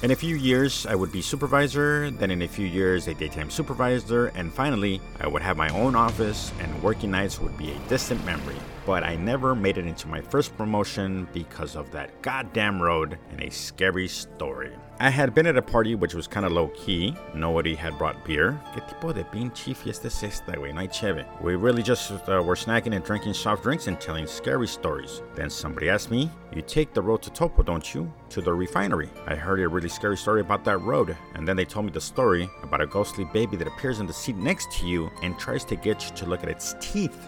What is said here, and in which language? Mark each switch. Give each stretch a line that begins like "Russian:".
English: In a few years, I would be supervisor, then in a few years, a daytime supervisor, and finally, I would have my own office and working nights would be a distant memory. But I never made it into my first promotion because of that goddamn road and a scary story. I had been at a party which was kind of low-key. Nobody had brought beer.
Spanish: ¿Qué tipo de pinche fiesta es esta, güey? No hay cheve.
English: We really just were snacking and drinking soft drinks and telling scary stories. Then somebody asked me, you take the road to Topo, don't you? To the refinery. I heard a really scary story about that road. And then they told me the story about a ghostly baby that appears in the seat next to you and tries to get you to look at its teeth.